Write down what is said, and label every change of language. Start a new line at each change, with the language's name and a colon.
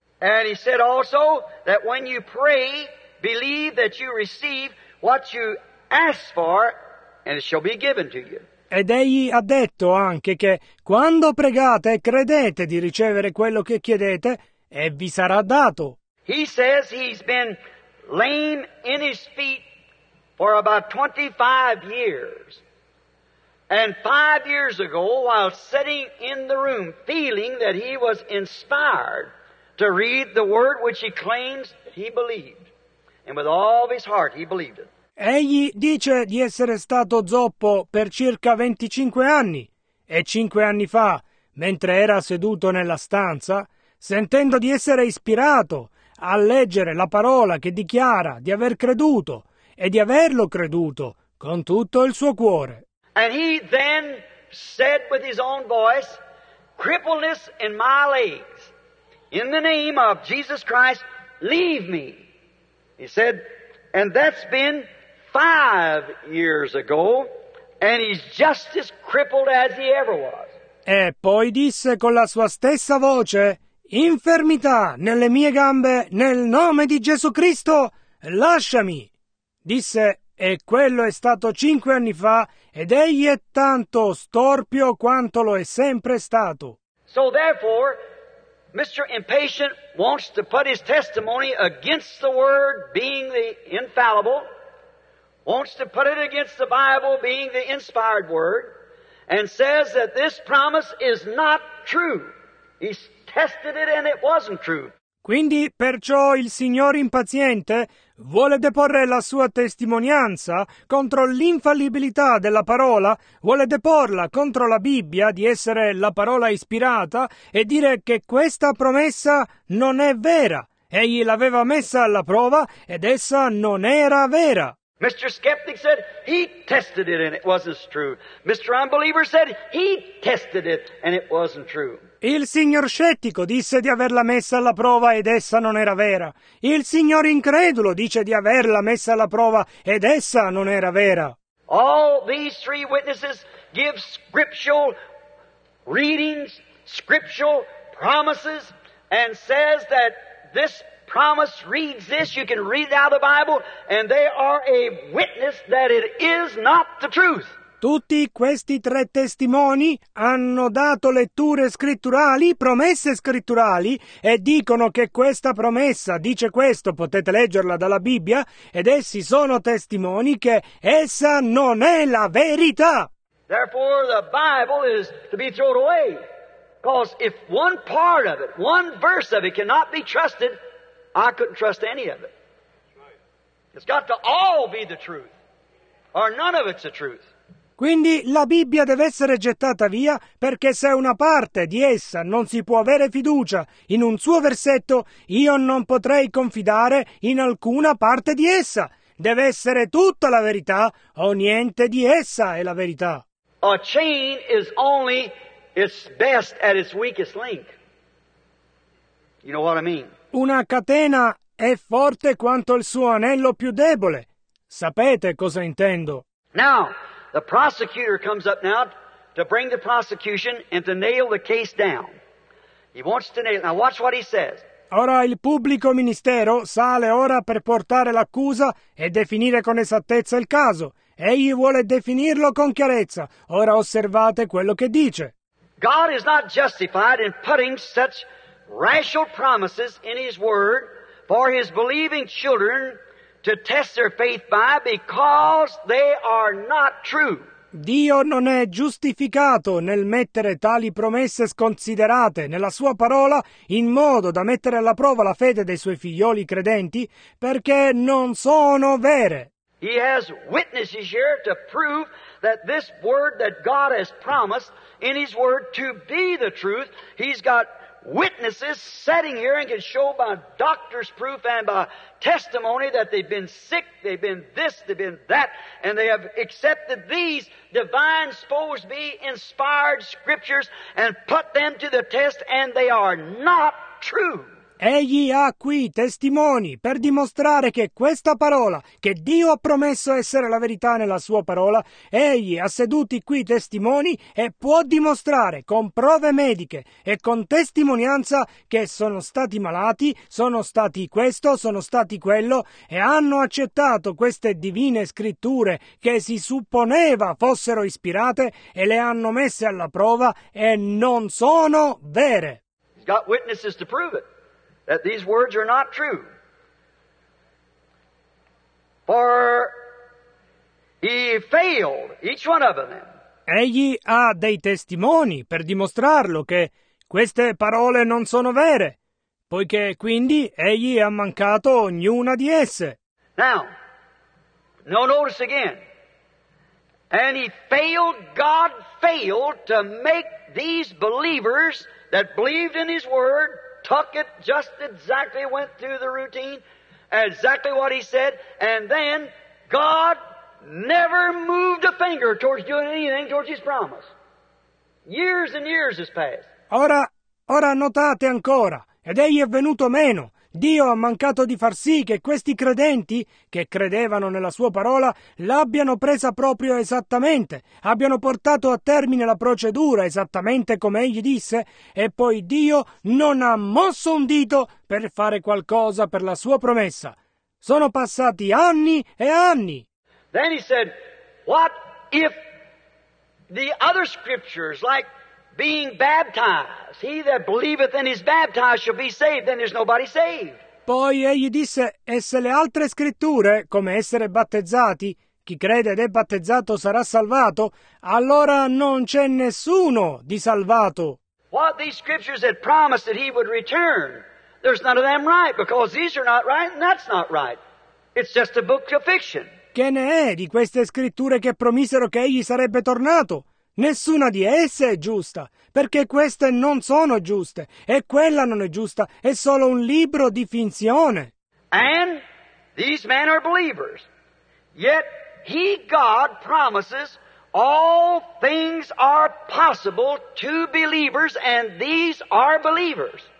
English: And he said also that when you pray, believe that you receive what you ask for, and it shall be given to you.
Italian: Ed egli ha detto anche che quando pregate credete di ricevere quello che chiedete e vi sarà dato.
English: He says he's been lame in his feet for about 25 years. And 5 years ago, while sitting in the room, feeling that he was inspired to read the word which he claims he believed. And with all of his heart he believed it.
Italian: Egli dice di essere stato zoppo per circa 25 anni e 5 anni fa, mentre era seduto nella stanza, sentendo di essere ispirato a leggere la parola che dichiara di aver creduto e di averlo creduto con tutto il suo cuore.
English: And he then said with his own voice, crippledness in my legs, in the name of Jesus Christ, leave me. He said, and that's been 5 years ago, and he's just as crippled as he ever was.
Italian: E poi disse con la sua stessa voce: infermità nelle mie gambe, nel nome di Gesù Cristo, lasciami. Disse: e quello è stato 5 anni fa, ed egli è tanto storpio quanto lo è sempre stato.
English: So therefore, Mr. Impatient wants to put his testimony against the word being the infallible. Wants to put it against the Bible being the inspired word, and says that this promise is not true. He's tested it and it wasn't true.
Italian: Quindi, perciò, il signor impaziente vuole deporre la sua testimonianza contro l'infallibilità della parola, vuole deporla contro la Bibbia di essere la parola ispirata e dire che questa promessa non è vera. Egli l'aveva messa alla prova ed essa non era vera.
English: Mr. Skeptic said he tested it and it wasn't true. Mr. Unbeliever said he tested it and it wasn't true.
Italian: Il signor scettico disse di averla messa alla prova ed essa non era vera. Il signor incredulo dice di averla messa alla prova ed essa non era vera.
English: All these three witnesses give scriptural readings, scriptural promises, and says that this promise reads this, you can read out of the Bible, and they are a witness that it is not the truth.
Italian: Tutti questi tre testimoni hanno dato letture scritturali, promesse scritturali, e dicono che questa promessa dice questo, potete leggerla dalla Bibbia, ed essi sono testimoni che essa non è la verità.
English: Therefore the Bible is to be thrown away, because if one part of it, one verse of it cannot be trusted, I couldn't trust any of it. It's got to all be the truth, or none of it's the truth.
Italian: Quindi la Bibbia deve essere gettata via, perché se una parte di essa non si può avere fiducia in un suo versetto, io non potrei confidare in alcuna parte di essa. Deve essere tutta la verità, o niente di essa è la verità.
English: A chain is only its best at its weakest link. You know what I mean?
Italian: Una catena è forte quanto il suo anello più debole. Sapete cosa intendo?
English: Now, the prosecutor comes up now to bring the prosecution and to nail the case down. He wants to nail. Now watch what he says.
Italian: Ora il pubblico ministero sale ora per portare l'accusa e definire con esattezza il caso. Egli vuole definirlo con chiarezza. Ora osservate quello che dice.
English: God is not justified in putting such rational promises in his word for his believing children to test their faith by, because they are not true.
Italian: Dio non è giustificato nel mettere tali promesse sconsiderate nella sua parola in modo da mettere alla prova la fede dei suoi figlioli credenti, perché non sono vere.
English: He has witnesses here to prove that this word that God has promised in his word to be the truth. He's got witnesses sitting here and can show by doctor's proof and by testimony that they've been sick, they've been this, they've been that, and they have accepted these divine, supposed to be inspired scriptures and put them to the test, and they are not true.
Italian: Egli ha qui testimoni per dimostrare che questa parola, che Dio ha promesso essere la verità nella sua parola, egli ha seduti qui testimoni e può dimostrare con prove mediche e con testimonianza che sono stati malati, sono stati questo, sono stati quello e hanno accettato queste divine scritture che si supponeva fossero ispirate e le hanno messe alla prova e non sono vere.
English: He's got witnesses to prove it. That these words are not true. For he failed, each one of them.
Italian: Egli ha dei testimoni per dimostrarlo che queste parole non sono vere, poiché quindi egli ha mancato ognuna di esse.
English: Now, now notice again. And he failed, God failed to make these believers that believed in his word. Took it just exactly, went through the routine, exactly what he said, and then God never moved a finger towards doing anything towards his promise. Years and years has passed.
Italian: Ora notate ancora, ed egli è venuto meno. Dio ha mancato di far sì che questi credenti, che credevano nella sua parola, l'abbiano presa proprio esattamente, abbiano portato a termine la procedura esattamente come egli disse, e poi Dio non ha mosso un dito per fare qualcosa per la sua promessa. Sono passati anni e anni.
English: Then he said, what if the other scriptures, like being baptized, he that believeth and is baptized shall be saved, then there's nobody saved.
Italian: Poi egli disse, e se le altre scritture, come essere battezzati, chi crede ed è battezzato sarà salvato, allora non c'è nessuno di salvato.
English: What these scriptures had promised that he would return, there's none of them right, because these are not right and that's not right. It's just a book of fiction.
Italian: Che ne è di queste scritture che promisero che egli sarebbe tornato? Nessuna di esse è giusta, perché queste non sono giuste, e quella non è giusta, è solo un libro di finzione.
English: And these men are believers, yet he, God, promises all things are possible to believers, and these are believers.